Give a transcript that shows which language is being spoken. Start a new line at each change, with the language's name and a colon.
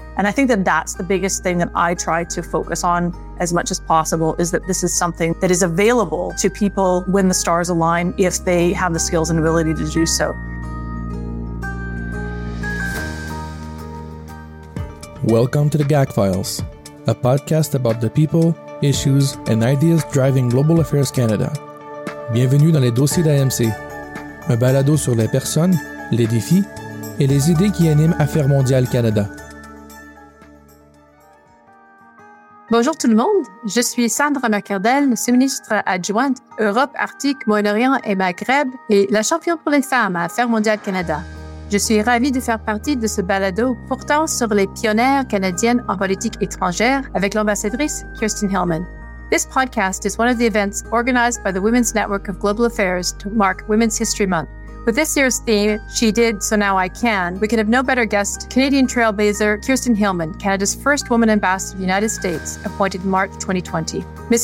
English: And I think that that's the biggest thing that I try to focus on as much as possible, is that this is something that is available to people when the stars align, if they have the skills and ability to do so. Welcome to the GAC Files, a podcast about the people, issues, and ideas driving Global Affairs Canada.
French: Bienvenue dans les dossiers d'AMC, un balado sur les personnes, les défis et les idées qui animent Affaires mondiales Canada. Bonjour tout le monde, je suis Sandra McArdell, sous-ministre adjointe Europe, Arctique, Moyen-Orient et Maghreb et la championne pour les femmes à Affaires mondiales Canada. Je suis ravie de faire partie de ce balado portant sur les pionnières canadiennes en politique étrangère avec l'ambassadrice Kirsten Hillman.
English: This podcast is one of the events organized by the Women's Network of Global Affairs to mark Women's History Month. With this year's theme, She Did, So Now I Can, we can have no better guest, Canadian trailblazer Kirsten Hillman, Canada's first woman ambassador to the United States, appointed March 2020. Ms.